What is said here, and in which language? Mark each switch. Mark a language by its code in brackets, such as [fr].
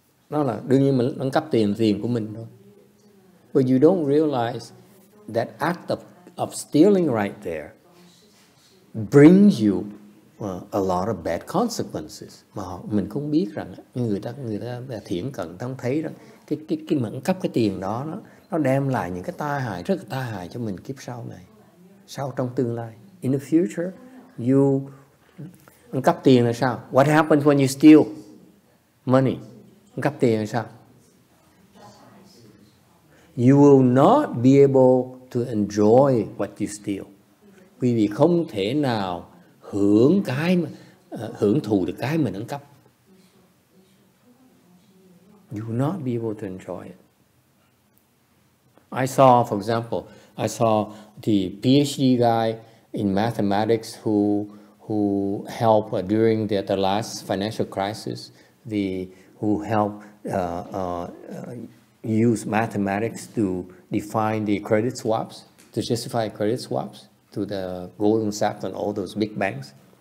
[vi] Nó là đương nhiên mình ăn cắp tiền của mình thôi. [en] But you don't realize that act of stealing right there brings you a lot of bad consequences. [vi] Mà mình không biết rằng người ta thiện cận không thấy rằng cái mà ăn cắp cái tiền đó nó đem lại những cái tai hại, rất là tai hại cho mình kiếp sau này. Sau trong tương lai. [en] In the future, you [vi] ăn cắp tiền là sao? [en] What happens when you steal money? [vi] Cắp tiền là sao? [en] You will not be able to enjoy what you steal. [vi] Quý vị không thể nào hưởng cái mà, hưởng thụ được cái mình ăn cắp. [en] You will not be able to enjoy it. I saw, for example, the PhD guy in mathematics who helped during the last financial crisis, use mathematics to define the credit swaps, to justify credit swaps to the Goldman Sachs and all those big banks.